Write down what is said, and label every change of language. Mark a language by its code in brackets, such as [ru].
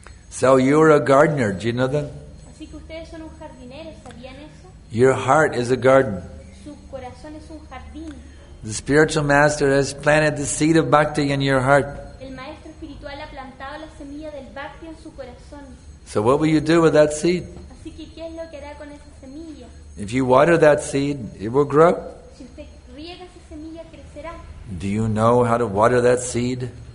[en] So you're a gardener, do you know that? [es] Así que ustedes son un jardinero, ¿sabían eso? [en] Your heart is a garden. [es] Su corazón es un jardín. [en] The spiritual master has planted the seed of bhakti in your heart. [es] El maestro espiritual ha plantado la semilla del bhakti en su corazón. [en] So what will you do with that seed? [es] Así que, ¿qué es lo que hará con esa semilla? [en] If you water that seed, it will grow. [es] Si usted riega esa semilla, crecerá. [en] Do you know how to water that seed?